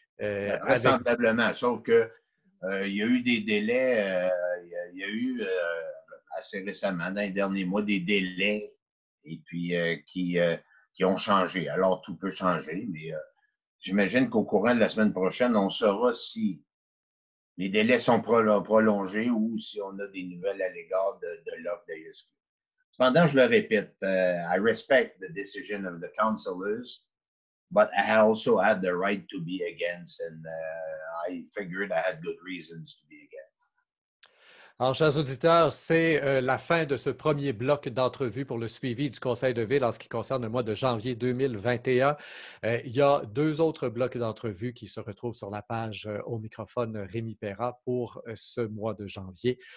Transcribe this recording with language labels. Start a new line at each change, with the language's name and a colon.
French: Vraisemblablement, sauf qu'il y a eu des délais, il y a eu assez récemment, dans les derniers mois, des délais et puis qui ont changé. Alors, tout peut changer, mais j'imagine qu'au courant de la semaine prochaine, on saura si les délais sont prolongés ou si on a des nouvelles à l'égard de l'offre d'ISQ. Cependant, je le répète,
English: I respect the decision of the councilors, But I also had the right to be against, and I figured I had good reasons to be against.
French: Alors, chers auditeurs, c'est la fin de ce premier bloc d'entrevue pour le suivi du Conseil de ville en ce qui concerne le mois de janvier 2021. Il y a deux autres blocs d'entrevue qui se retrouvent sur la page au microphone Rémi Perra pour ce mois de janvier.